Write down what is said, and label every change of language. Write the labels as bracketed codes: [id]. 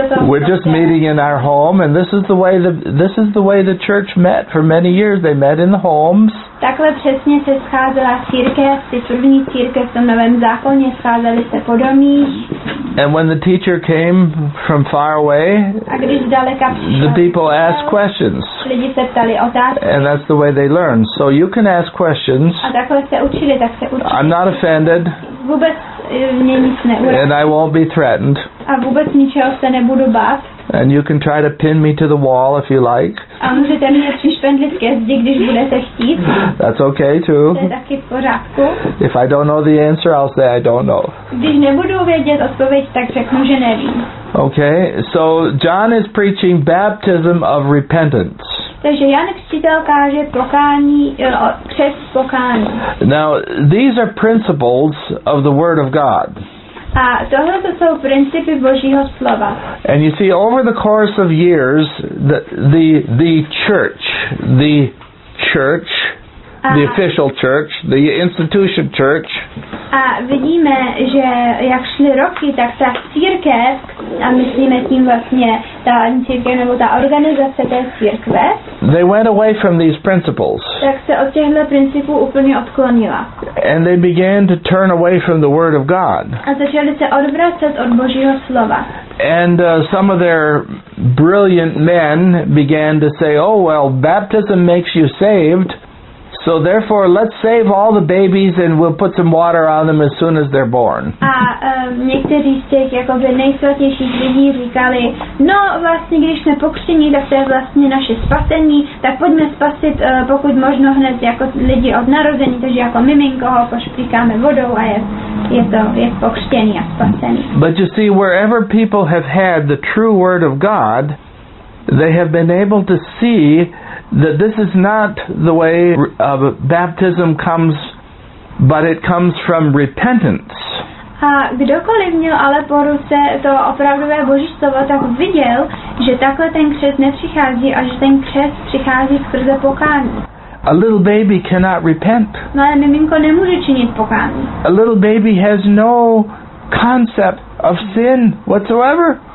[en] We're just meeting in our home and this is the way the church met for many years. They met in the homes. [cs] Takhle přesně se scházela církev, ty první církev v tom Novém zákoně, scházeli se po domích. [en] And when the teacher came from far away, the people asked questions. [cs] Lidi se ptali otázky. [en] And that's the way they learn. So you can ask questions. [cs] A takhle se učili, tak se učili. [en] I'm not offended. [cs] Vůbec mě nic neurazí. [en] And I won't be threatened. [cs] A vůbec ničeho se nebudu bát. [en] And you can try to pin me to the wall if you like. [cs] A můžete mě přišpendlit ke zdi, když budete chtít. [en] That's okay too. [cs] To je taky v pořádku. [en] If I don't know the answer, I'll say I don't know. [cs] Když nebudu vědět odpověď, tak řeknu, že nevím. [en] Okay, so John is preaching baptism of repentance. [cs] Takže Jan Křtitel káže pokání, křest pokání. [en] Now, these are principles of the Word of God. [cs] A tohle to jsou principy Božího slova. [en] And you see, over the course of years, the church, the official church, the institution church. [cs] A vidíme, že jak šly roky, tak ta církev, a myslíme tím vlastně ta církev nebo ta organizace té církve. [en] They went away from these principles. [cs] Tak se od těchto principů úplně odklonila. [en] And they began to turn away from the Word of God. [cs] A začali se odvracet od Božího slova. [en] And some of their brilliant men began to say, oh well, baptism makes you saved. So therefore, let's save all the babies and we'll put some water on them as soon as they're born. [cs] A někteří z těch jakoby nejsvatějších lidí říkali, no vlastně, když jsme pokřtění, tak to je vlastně naše spasení, tak pojďme spasit, pokud možno hned jako lidi od narození, takže jako miminko ho pošplíkáme vodou a je pokřtění a spasení. [en] But you see, wherever people have had the true word of God, they have been able to see that this is not the way of baptism comes, but it comes from repentance. [cs] A kdokoliv měl ale po ruce to opravdové Boží slovo, tak viděl, že takhle ten křest nepřichází a že ten křest přichází skrze pokání. [en] A little baby cannot repent. [cs] Malé miminko nemůže činit pokání. [en] A little baby has no concept of sin whatsoever.